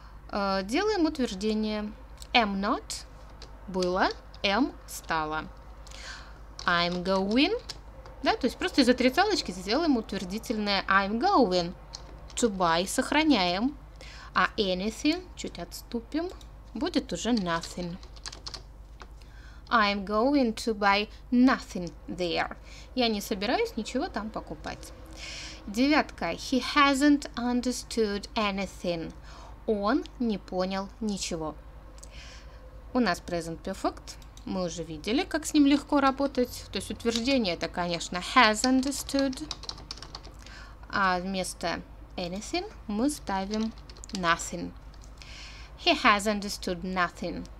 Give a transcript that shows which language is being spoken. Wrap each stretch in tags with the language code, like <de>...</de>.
<ru>Делаем утверждение. Am not – было, am – стало. I'm going, да, – то есть просто из отрицалочки сделаем утвердительное.</ru> <en>I'm going to buy – сохраняем.</en> <ru>А anything – чуть отступим – будет уже nothing.</ru> <en>I'm going to buy nothing there.</en> <ru>Я не собираюсь ничего там покупать. Девятка.</ru> <en>He hasn't understood anything.</en> <ru>Он не понял ничего. У нас present perfect. Мы уже видели, как с ним легко работать. То есть утверждение это, конечно, has understood. А вместо anything мы ставим nothing.</ru> <en>He has understood nothing.</en>